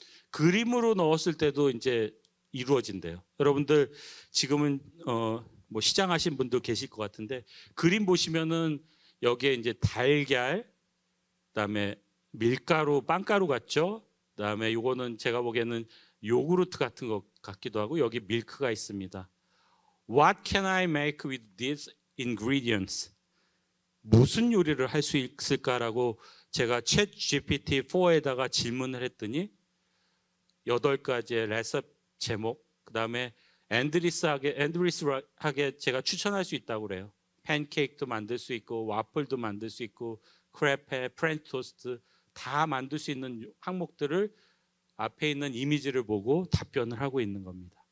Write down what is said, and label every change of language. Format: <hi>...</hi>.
<ko>그림으로 넣었을 때도 이제 이루어진대요. 여러분들 지금은 뭐 시장하신 분도 계실 것 같은데 그림 보시면은 여기에 이제 달걀, 그다음에 밀가루, 빵가루 같죠? 그다음에 이거는 제가 보기에는 요구르트 같은 것 같기도 하고 여기 밀크가 있습니다.</ko> <en>What can I make with these ingredients?</en> <ko>무슨 요리를 할 수 있을까라고 제가 ChatGPT-4에다가 질문을 했더니 8가지의 레시피 제목, 그 다음에 엔드리스하게 제가 추천할 수 있다고 그래요. 팬케이크도 만들 수 있고 와플도 만들 수 있고 크레페, 프렌치 토스트 다 만들 수 있는 항목들을 앞에 있는 이미지를 보고 답변을 하고 있는 겁니다.</ko>